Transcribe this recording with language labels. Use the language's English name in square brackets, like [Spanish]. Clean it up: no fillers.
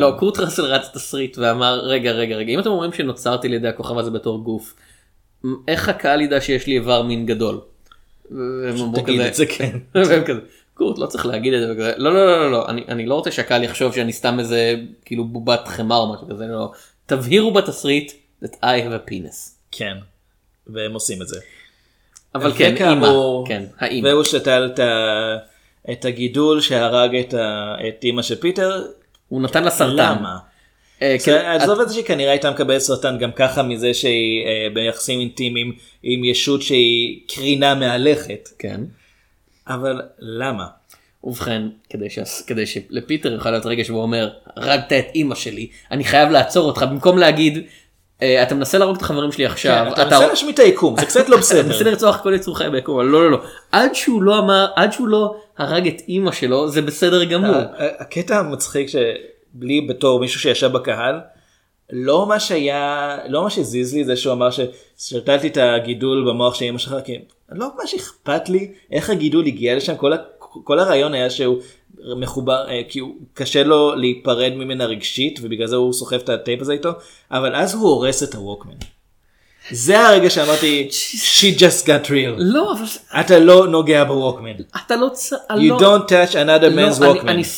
[Hebrew] לא, קורט רסל רץ את הסריט ואמר, רגע, רגע, רגע, אם אתם אומרים שנוצרתי לידי הכוכב הזה בתור גוף, איך הקהל ידע שיש לי איבר מין גדול? והם אמרו כזה. תגיד את זה, כן. והם כזה, קורט, לא צריך להגיד את זה. לא, לא, לא, לא, לא, אני לא רוצה שהקהל יחשוב שאני סתם איזה, כאילו, בובת חמר או משהו כזה. לא, תבהירו בתסריט [English] that I have a penis. [Hebrew] כן, והם עושים את זה. אבל כן, אימא, כן, האימא. והוא שתל את הגידול שהרג את אימא של פיטר. הוא נתן לסרטן. למה? עזוב את זה שהיא כנראה הייתה מקבל סרטן גם ככה מזה שהיא ביחסים אינטימיים עם ישות שהיא קרינה מהלכת. כן. אבל למה? ובכן, כדי שלפיטר יוכל להיות רגע שהוא אומר, רגת את אימא שלי, אני חייב לעצור אותך במקום להגיד... אתה מנסה להרוג את החברים שלי עכשיו. כן, אתה מנסה להשמיד את היקום, זה קצת לא בסדר. אתה מנסה לרצוח כל יצור חיים ביקום, אבל לא, לא, לא. עד שהוא לא אמר, עד שהוא לא הרג את אמא שלו, זה בסדר גמור. הקטע המצחיק שבלי בתור מישהו שישב בקהל, לא מה שהיה, לא מה שזיז לי זה שהוא אמר ששתלתי את הגידול במוח של אמא שלך, כי לא מה שאכפת לי, איך הגידול הגיע לשם, כל הרעיון היה שהוא מחובר, כי הוא קשה לו להיפרד ממנה רגשית, ובגלל זה הוא סוחף את הטייפ הזה איתו, אבל אז הוא הורס את הווקמן. זה הרגע שאמרתי, [English] she just got real. [Hebrew] לא, אבל... אתה לא נוגע בווקמן. אתה לא צריך... [English] You don't touch another man's ווקמן.